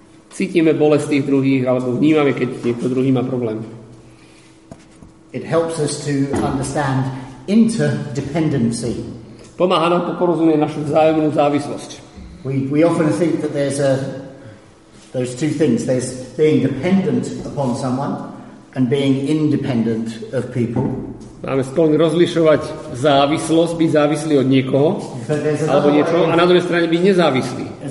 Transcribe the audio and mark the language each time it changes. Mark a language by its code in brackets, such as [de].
[sk] Cítime bolesť tých druhých alebo vnímame, keď niekto druhý má problém. [en] It helps us to understand interdependency. [sk] Pomáha nám to porozumieť našu vzájomnú závislosť. [en] We often think that there's those two things. There's being dependent upon someone and being independent of people. [sk] Máme spolne rozlišovať závislosť, byť závislý od niekoho alebo niečo, a na druhej strane byť nezávislý.